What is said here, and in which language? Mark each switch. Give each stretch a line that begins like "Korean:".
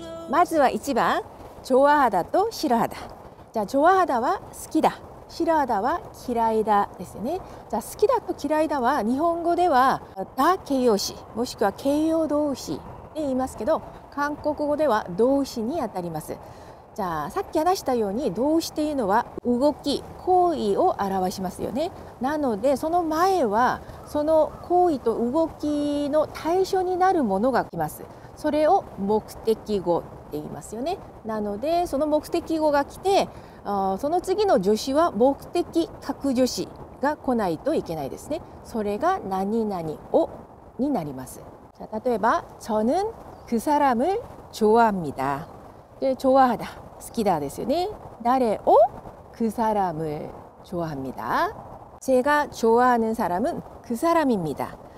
Japanese: まずは
Korean: 1번 좋아하다 또 싫어하다. 자, 좋아하다와 好きだ, 싫어하다와
Japanese: 嫌いだ ですね. 자, 好きだ と 嫌いだは 日本語では 다形容詞 もしくは 形容動詞で 言いますけど 韓国語では 動詞に 当たります. じゃあ、 さっき話したように 動詞っていうのは 動き 行為を 表しますよね. なので その前は その行為と 動きの 対象になる ものが 来ます. それを 目的語 言いますよね。なので、その目的語が来て、その次の助詞は目的格助詞が来ないといけないですね。それが何々をになります。じゃあ、例えば
Korean: 저는 그 사람을 좋아합니다.
Japanese: 좋아하다, 好きだ ですよね. 誰を?
Korean: 그 사람을 좋아합니다. 제가 좋아하는 사람은 그 사람입니다.